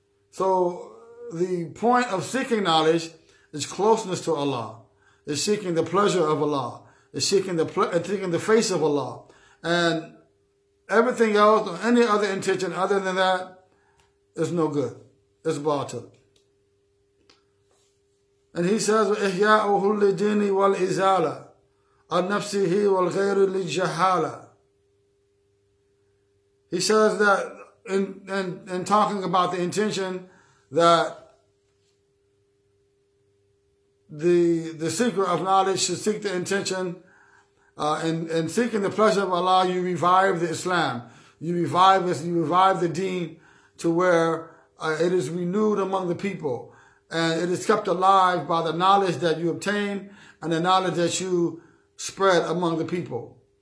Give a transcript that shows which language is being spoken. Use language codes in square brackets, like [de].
[en] So the point of seeking knowledge is closeness to Allah, is seeking the pleasure of Allah, is seeking the face of Allah. And everything else or any other intention other than that is no good. It's batil. And he says, [ar] إِحْيَاءُهُ لِدِينِ وَالْإِزَالَةِ النفسه والغير للجهالة. [en] He says that in talking about the intention, that the seeker of knowledge should seek the intention, in seeking the pleasure of Allah, you revive the Islam, you revive the deen to where it is renewed among the people, and it is kept alive by the knowledge that you obtain and the knowledge that you spread among the people.